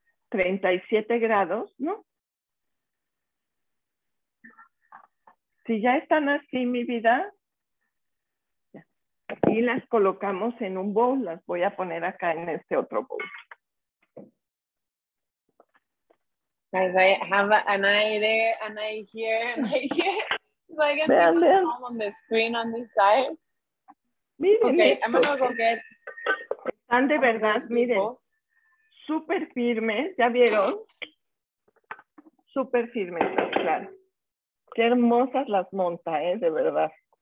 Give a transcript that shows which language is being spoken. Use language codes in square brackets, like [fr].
[es] 37 grados, ¿no? Si ya están así, mi vida, ya. Y las colocamos en un bowl, las voy a poner acá en este otro bowl. [en] As I have an idea, and I hear. So I can see my mom on the screen on this side. [es] Miren, [en] okay, I'm gonna go get. [es] Están de verdad, miren, súper firmes, ¿ya vieron? Súper firmes, claro. Qué hermosas las monta, de verdad.